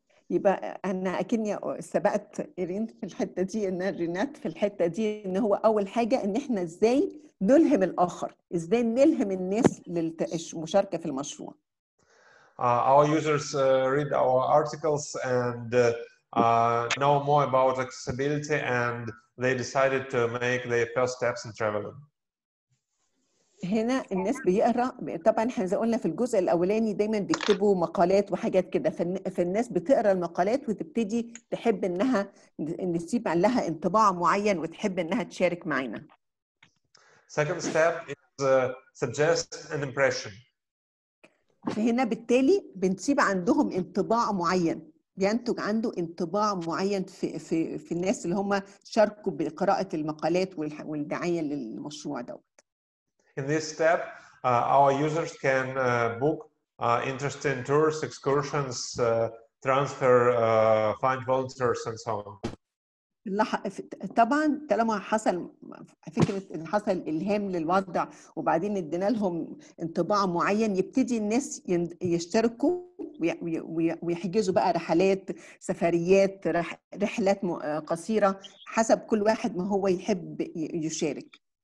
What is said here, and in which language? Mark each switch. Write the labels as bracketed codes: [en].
[ar] يبقى انا اكني سبقت ايرين في الحته دي ان رينات في الحته دي ان هو اول حاجه ان احنا ازاي نلهم الاخر ازاي نلهم الناس للمشاركه في المشروع. [en] Our users read our articles and know more about accessibility, and they decided to make their first steps in traveling. [ar] هنا الناس بيقرأ طبعاً إحنا زي قلنا في الجزء الأولاني دايماً بيكتبوا مقالات وحاجات كده فالناس بتقرأ المقالات وتبتدي تحب إنها نسيب عليها انطباع معين وتحب إنها تشارك معنا. [en] Second step is suggest an impression. [ar] هنا بالتالي بنسيب عندهم انطباع معين بينتج عنده انطباع معين في في في الناس اللي هم شاركوا بقراءة المقالات والدعاية للمشروع دوت. [en] In this step, our users can book interesting tours, excursions, transfer, find volunteers and so on. [ar] طبعا طالما حصل فكره ان حصل الهام للوضع وبعدين ادينا لهم انطباع معين يبتدي الناس يشتركوا ويحجزوا بقى رحلات سفريات رحلات قصيره حسب كل واحد ما هو يحب يشارك.